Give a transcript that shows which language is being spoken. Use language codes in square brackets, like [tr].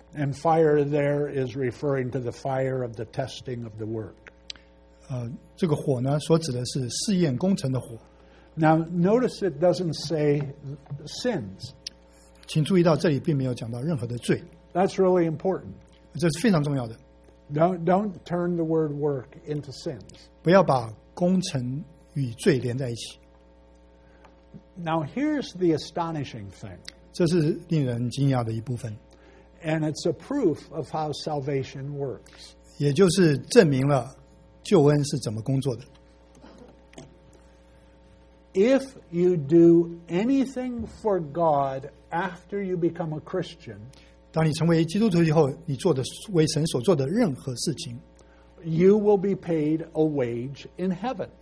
[en] and fire there is referring to the fire of the testing of the work. [zh] 这个火呢, 所指的是试验工程的火。 [en] Now notice it doesn't say sins. [zh] 请注意到这里并没有讲到任何的罪。 [en] That's really important. [zh] 这是非常重要的。 [en] Don't turn the word work into sins. [zh] 不要把工程与罪连在一起。 [en] Now here's the astonishing thing. [zh] 这是令人惊讶的一部分。 [en] And it's a proof of how salvation works. [zh] 也就是证明了救恩是怎么工作的。 [en] If you do anything for God after you become a Christian, [zh] 当你成为基督徒以后, 你做的为神所做的任何事情, [en] you will be paid a wage in heaven.